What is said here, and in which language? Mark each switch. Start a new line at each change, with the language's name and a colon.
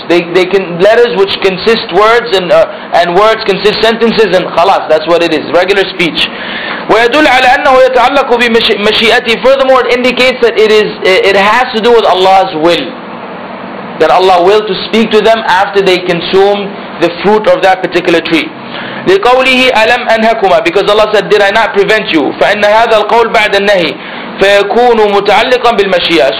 English: They can letters which consist words and words consist sentences and خلاص. That's what it is. Regular speech.
Arabic: ويدل على أنه يتعلق بمشيئتي.
English: Furthermore, it indicates that it has to do with Allah's will. That Allah will to speak to them after they consume the fruit of that particular tree.
Arabic: لقوله ألم أنهكما,
English: because Allah said, did I not prevent you?
Arabic: فإن هذا القول بعد النهي. فيكون متعلقا بالمشيئة.